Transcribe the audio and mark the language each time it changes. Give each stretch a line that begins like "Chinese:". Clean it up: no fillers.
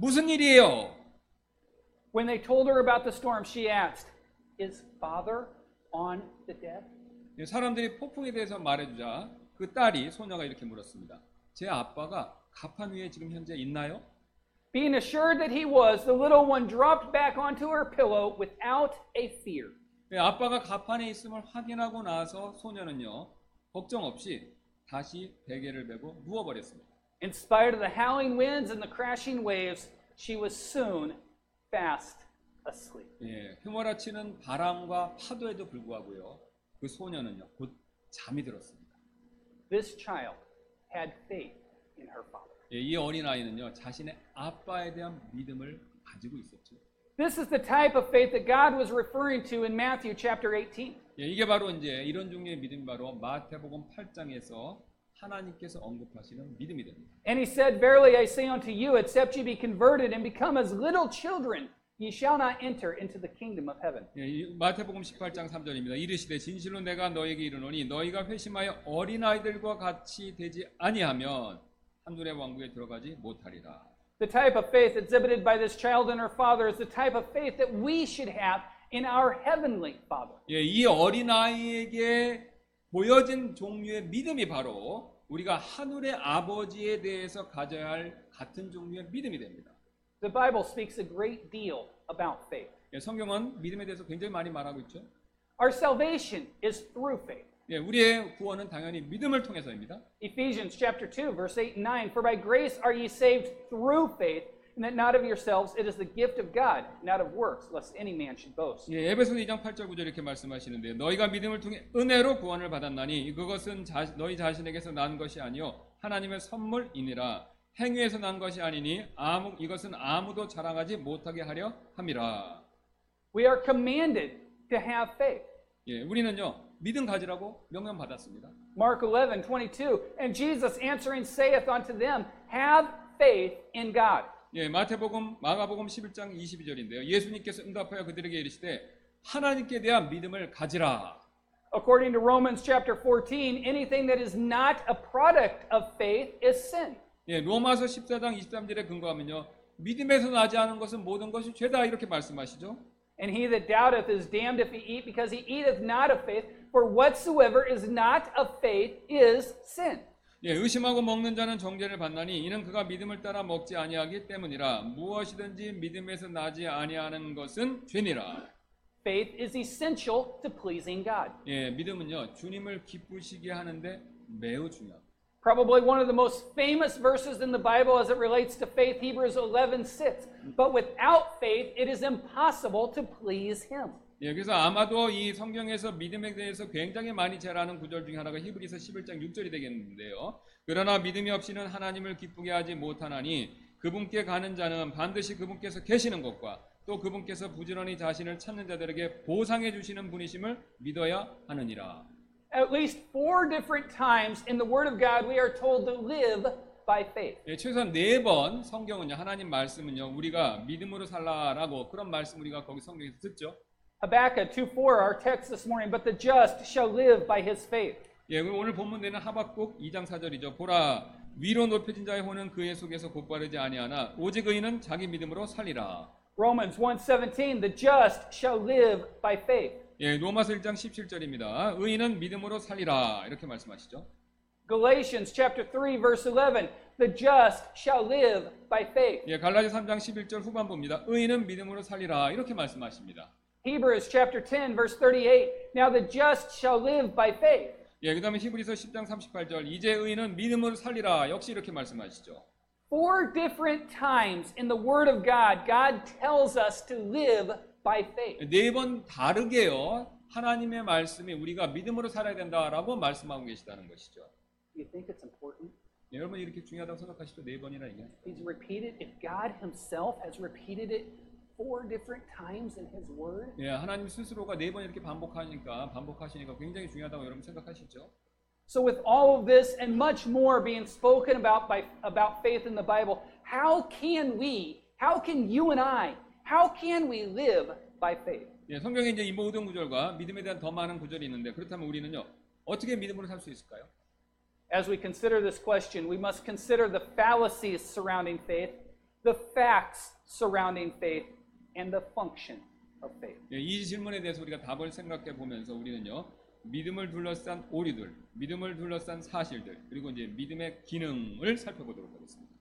Korean: 무슨 일이에요?
English: When they told her about the storm, she asked, "Is father on the deck?"
Korean: 예, 사람들이 폭풍에 대해서 말해 주자 그 딸이 소녀가 이렇게 물었습니다. 제 아빠가 갑판 위에 지금 현재 있나요?
English: Being assured that he was, the little one dropped back onto her pillow without a fear.
Korean: 예, 아빠가 갑판에 있음을 확인하고 나서 소녀는요. 걱정 없이 다시 베개를 베고 누워 버렸습니다.
English: In spite of the howling winds and the crashing waves, she was soon fast asleep.
Korean: 예, 휘몰아치는 바람과 파도에도 불구하고요. 그 소녀는요. 곧 잠이 들었습니다.
English: This child had faith in her father.
Korean: 예, 이 어린아이는요. 자신의 아빠에 대한 믿음을 가지고 있었죠.
English: This is the type of faith that God was referring to in Matthew chapter 18.
Korean: 예, 이게 바로 이제 이런 종류의 믿음 바로 마태복음 8장에서 하나님께서 언급하시는 믿음이 됩니다.
English: And he said, "Verily I say unto you, except ye be converted and become as little children, ye shall not enter into the kingdom of heaven."
Korean: 예, 마태복음 18장 3절입니다. 이르시되 진실로 내가 너희에게 이르노니 너희가 회심하여 어린 아이들과 같이 되지 아니하면 하늘의 왕국에 들어가지 못하리라.
English: The type of faith exhibited by this child and her father is the type of faith that we should have in our heavenly Father.
Korean: 예, 이 어린 아이에게 보여진 종류의 믿음이 바로 우리가 하늘의 아버지에 대해서 가져야 할 같은 종류의 믿음이 됩니다.
English: The Bible speaks a great deal about faith.
Korean: 예, 성경은 믿음에 대해서 굉장히 많이 말하고 있죠.
English: Our salvation is through faith.
Korean: 예, 우리의 구원은 당연히 믿음을 통해서입니다.
English: Ephesians chapter 2 verse 8 and 9 For by grace are ye saved through faith and that not of yourselves it is the gift of God not of works lest any man should boast.
Korean: 예, 에베소서 2장 8절 9절 이렇게 말씀하시는데 너희가 믿음을 통해 은혜로 구원을 받았나니 그것은 너희 자신에게서 난 것이 아니요 하나님의 선물이니라 행위에서 난 것이 아니니 이것은 아무도 자랑하지 못하게 하려 함이라.
English: We are commanded to have faith.
Korean: 예, 우리는요. 믿음 가지라고 명령 받았습니다.
English: Mark 11:22 And Jesus answering saith unto them, Have faith in God.
Korean: 예, 마가복음 11장 22절인데요. 예수님께서 응답하여 그들에게 이르시되 하나님께 대한 믿음을 가지라.
English: According to Romans chapter 14, anything that is not a product of faith is sin.
Korean: 예, 로마서 14장 23절에 근거하면요. 믿음에서 나지 않은 것은 모든 것이 죄다 이렇게 말씀하시죠.
English: And he that doubteth is damned if he eat, because he eateth not of faith. For whatsoever is not of faith is sin.
Korean: 예, 의심하고 먹는 자는 정죄를 받나니 이는 그가 믿음을 따라 먹지 아니하기 때문이라 무엇이든지 믿음에서 나지 아니하는 것은 죄니라.
English: Faith is essential to pleasing God.
Korean: 예, 믿음은요 주님을 기쁘시게 하는데 매우 중요합니다.
English: Probably one of the most famous verses in the Bible as it relates to faith, Hebrews 11:6. But without faith, it is impossible to please Him.
Korean: 예, 그래서 아마도 이 성경에서 믿음에 대해서 굉장히 많이 잘 아는 구절 중 하나가 히브리서 11장 6절이 되겠는데요. 그러나 믿음이 없이는 하나님을 기쁘게 하지 못하나니 그분께 가는 자는 반드시 그분께서 계시는 것과 또 그분께서 부지런히 자신을 찾는 자들에게 보상해 주시는 분이심을 믿어야 하느니라.
English: At least 4 different times in the Word of God we are told to live by faith.
Korean: 예, 최소한 4번 성경은요, 하나님 말씀은요, 우리가 믿음으로 살라라고 그런 말씀 우리가 거기 성경에서 듣죠.
English: Habakkuk 2:4 our text this morning but the just shall live by his faith.
Korean: 예, 오늘 본문 되는 하박국 2장 4절이죠. 보라 위로 높여진 자의 혼은 그의 속에서 곧바르지 아니하나 오직 의인은 자기 믿음으로 살리라.
English: Romans 1:17 the just shall live by faith.
Korean: 예, 로마서 1장 17절입니다. 의인은 믿음으로 살리라 이렇게 말씀하시죠.
English: Galatians chapter 3 verse 11 the just shall live by faith.
Korean: 예, 갈라디아 3장 11절 후반부입니다. 의인은 믿음으로 살리라 이렇게 말씀하십니다.
English: Hebrews chapter 10 verse 38 Now the just shall live by faith.
Korean: 예, 그다음에 히브리서 10장 38절 이제 의인은 믿음으로 살리라 역시 이렇게 말씀하시죠.
English: Four different times in the word of God God tells us to live by faith.
Korean: 네 번 다르게요. 하나님의 말씀이 우리가 믿음으로 살아야 된다라고 말씀하고 계시다는 것이죠.
English: You think it's important?
Korean: 여러분 이렇게 중요하다고 생각하시죠? 네 번이나 얘기해요.
English: He's repeated. If God Himself has repeated it four different times in His Word.
Korean: 예, 하나님 스스로가 네 번 이렇게 반복하시니까 굉장히 중요하다고 여러분 생각하시죠?
English: So with all of this and much more being spoken about faith in the Bible, how can you and I live by faith?
Korean: 예, 성경에 이제 이 모든 구절과 믿음에 대한 더 많은 구절이 있는데 그렇다면 우리는요 어떻게 믿음으로 살 수 있을까요?
English: As we consider this question, we must consider the fallacies surrounding faith, the facts surrounding faith, and the function of faith.
Korean: 예, 이 질문에 대해서 우리가 답을 생각해 보면서 우리는요 믿음을 둘러싼 오류들, 믿음을 둘러싼 사실들, 그리고 이제 믿음의 기능을 살펴보도록 하겠습니다.